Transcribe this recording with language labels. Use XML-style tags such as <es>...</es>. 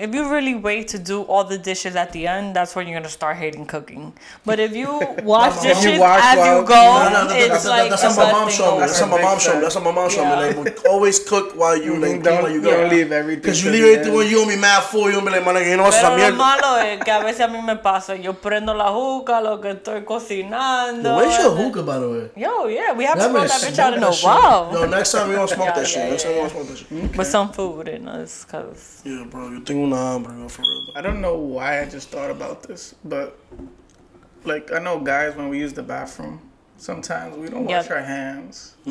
<en>If you really wait to do all the dishes at the end, that's when you're going to start hating cooking. But if you wash dishes That's what my mom showed me. Like, always cook while you clean. Don't leave everything. Because you leave everything when you're going to be mad for. You're going to be like, you know what's</en> <es>mierda. Pero lo malo es que a veces a mí me pasa. Yo prendo la hookah, lo que estoy cocinando.</es> <en>Where's your hookah, by the way? Yo, yeah. We haven't brought that bitch out in a while. Yo, next time we don't smoke that shit. Okay. But some food in us, cause yeah, bro, you think we're not hungry, bro, for real. I don't know why I just thought about this, but like I know guys when we use the bathroom, sometimes we don't wash our hands. Mm-hmm.</en>